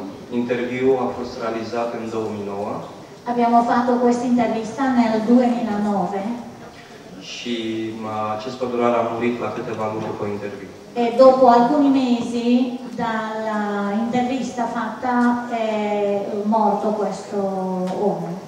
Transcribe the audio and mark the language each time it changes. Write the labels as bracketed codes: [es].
[ro] Interviu a fost realizat în 2009. [it] Abbiamo fatto questa intervista nel 2009. [ro] Și acest pădurar a murit la câteva luni după interviu. [it] E dopo alcuni mesi dalla intervista fatta è morto questo om.